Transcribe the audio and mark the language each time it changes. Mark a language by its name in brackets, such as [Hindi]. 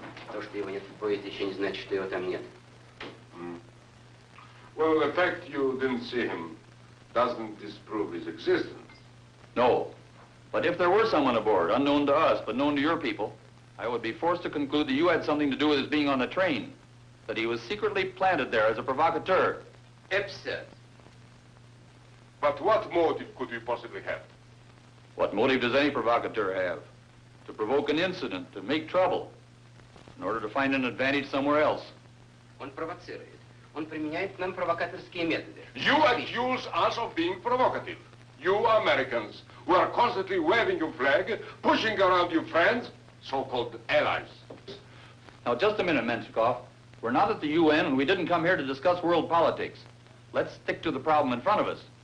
[Russian] То, что его нет в поезде, еще не значит, что его там нет. [English] Well, the fact you didn't see him doesn't disprove his existence. No. But if there were someone aboard, unknown to us, but known to your people, I would be forced to conclude that you had something to do with his being on the train. That he was secretly planted there as a provocateur. Absurd. But what motive could he possibly have? What motive does any provocateur have? To provoke an incident, to make trouble, in order to find an advantage somewhere else. [Russian] Он провоцирует. Он применяет к нам провокаторские методы. [English] You accuse us of being provocative. You Americans, who are constantly waving your flag, pushing around your friends, so-called allies. Now, just a minute, Menshikov. We're not at the UN, and we didn't come here to discuss world politics. Let's stick to the problem in front of us.